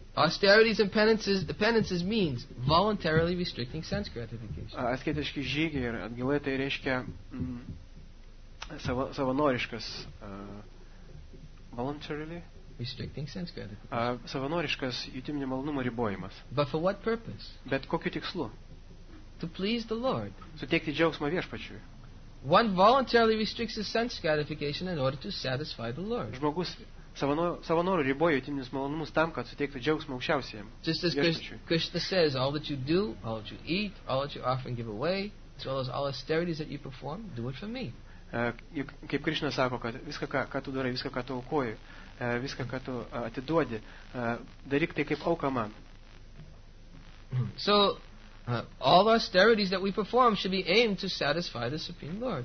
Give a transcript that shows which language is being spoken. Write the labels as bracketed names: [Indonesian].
[English] Austerities and penances, the penances means voluntarily restricting sense gratification. [Lithuanian] Asketiški žygiai ir atgaila tai reiškia savanoriškas [English] voluntarily restricting sense gratification. [Lithuanian] Savanoriškas jutiminio malonumo ribojimas. [English] But for what purpose? [Lithuanian] Bet kokiu tikslu? [English] To please the Lord. [Lithuanian] Suteikti džiaugsmą viešpačiui. [English] One voluntarily restricts his sense gratification in order to satisfy the Lord. [Lithuanian] Žmogus savanoru riboja jutiminius malonumus tam, kad suteiktų džiaugsmą aukščiausiajam. [English] Just as Krishna says, all that you do, all that you eat, all that you offer and give away, as well as all austerities that you perform, do it for me. [Lithuanian] Kaip Krishna sako, kad viską, ką tu darai, viską, ką tu aukoji, viską, ką tu atiduodi, daryk tai kaip auka man. [English] So, all austerities that we perform should be aimed to satisfy the Supreme Lord.